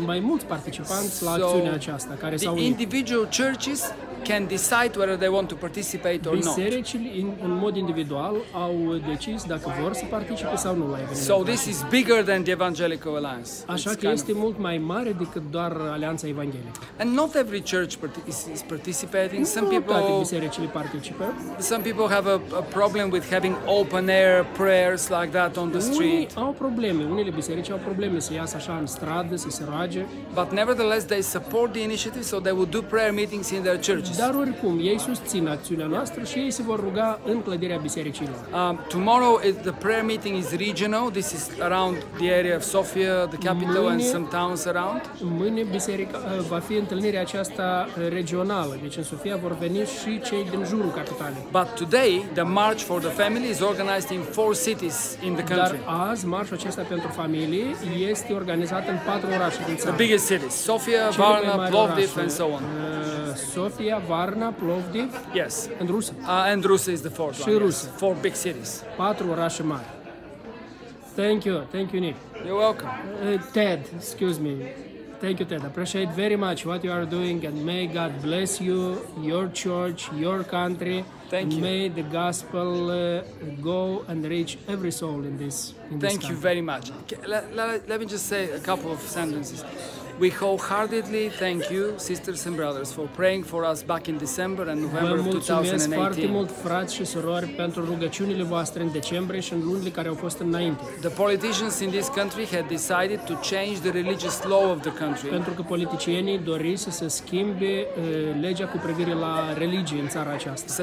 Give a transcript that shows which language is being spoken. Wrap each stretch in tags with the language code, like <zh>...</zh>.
<ro>Sunt mai mulți participanți la acțiunea aceasta care s-au unit.</ro> <en>The individual churches can decide whether they want to participate or not.</en> <ro>Bisericile în mod individual au decis dacă vor să participe sau nu la eveniment.</ro> <en>So this is bigger than the Evangelical Alliance.</en> <ro>Așa că este mult mai mare decât doar Alianța Evanghelică.</ro> <en>And not every church is participating. Some people Some people have a problem with having open air prayers like that on the street.</en> <ro>Unii au probleme. Unele biserici au probleme să iasă așa în stradă să se roage.</ro> <en>But nevertheless, they support the initiative, so they will do prayer meetings in their churches.</en> <ro>Dar oricum, ei susțin acțiunea noastră și ei se vor ruga în clădirea bisericilor.</ro> <en>Tomorrow, the prayer meeting is regional. This is around the area of Sofia, the capital, and some towns around.</en> <ro>Mâine biserica va fi întâlnirea aceasta regională. Deci în Sofia vor veni și cei din jurul capitalei.</ro> <en>But today the march for the family is organized in 4 cities in the country.</en> <ro>Dar azi marșul acesta pentru familie este organizat în 4 orașe din țară.</ro> <en>The biggest cities: Sofia, Varna, Plovdiv and so on. Sofia, Varna, Plovdiv. Yes. And Rusa. And Rusa is the fourth</en> <ro>și</ro> <en>one. Rusa. Yes. Four big cities.</en> <ro>Patru orașe mari.</ro> <en>Thank you, Nick. You're welcome. Ted, excuse me. Thank you, Ted. Appreciate very much what you are doing, and may God bless you, your church, your country. Thank you. May the gospel go and reach every soul in this country. Thank you very much. Let me just say a couple of sentences. We wholeheartedly thank you, sisters and brothers, for praying for us back in December and November of 2018.</en> <ro>Vă mulțumesc foarte mult, frați și surori, pentru rugăciunile voastre în decembrie și în lunile care au fost înainte.</ro> <en>The politicians in this country had decided to change the religious law of the country.</en> <ro>Pentru că politicienii doresc să se schimbe legea cu privire la religie în țara aceasta.</ro>